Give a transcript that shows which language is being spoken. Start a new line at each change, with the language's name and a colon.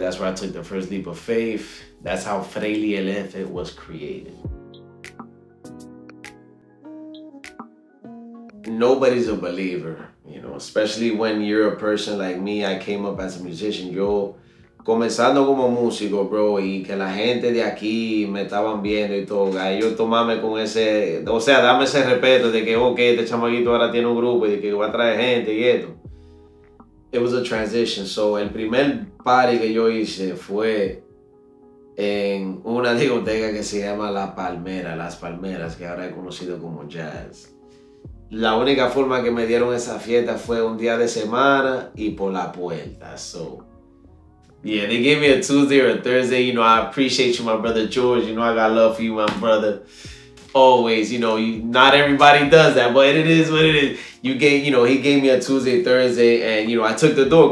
English: That's where I took the first leap of faith. That's how Freely El Efe was created. Nobody's a believer, you know, especially when you're a person like me. I came up as a musician.
Spanish: Yo, comenzando como músico, bro, y que la gente de aquí me estaban viendo y todo, y yo tomame con ese, o sea, dame ese respeto de que, okay, este chamaguito ahora tiene un grupo y de que va a traer gente y esto. It was a transition. So, el primer party que yo hice fue en una discoteca que se llama La Palmera, Las Palmeras, que ahora he conocido como Jazz. La única forma que me dieron esa fiesta fue un día de semana y por la puerta.
English: So, yeah, they gave me a Tuesday or a Thursday. You know, I appreciate you, my brother George. You know, I got love for you, my brother. Always, you know, not everybody does that, but it is what it is. You gave, you know, he gave me a Tuesday, Thursday, and, you know, I took the door.